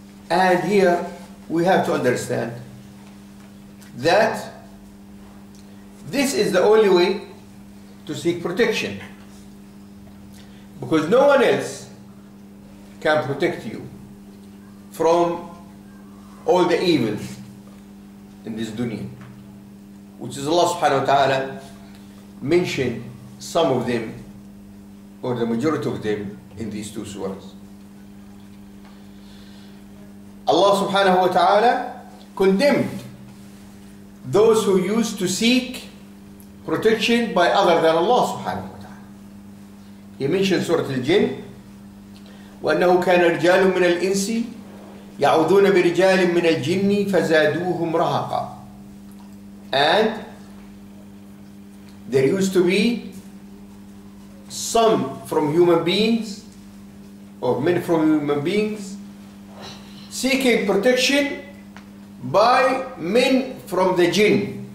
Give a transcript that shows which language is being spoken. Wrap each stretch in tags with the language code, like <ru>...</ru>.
<en>And here we have to understand that this is the only way to seek protection, because no one else can protect you from all the evils in this dunya, which is Allah subhanahu wa ta'ala mentioned some of them or the majority of them in these two surahs. Allah subhanahu wa ta'ala condemned those who used to seek protection by other than Allah subhanahu. He mentioned Surah Al-Jinn,</en> <ar>وَأَنَّهُ كَانَ رِجَالٌ مِّنَ الْإِنْسِ يَعُوذُونَ بِرِجَالٍ مِّنَ الْجِنِّ فَزَادُوهُمْ رَهَقًا.</ar> <en>And there used to be some from human beings, or men from human beings, seeking protection by men from the jinn.</en>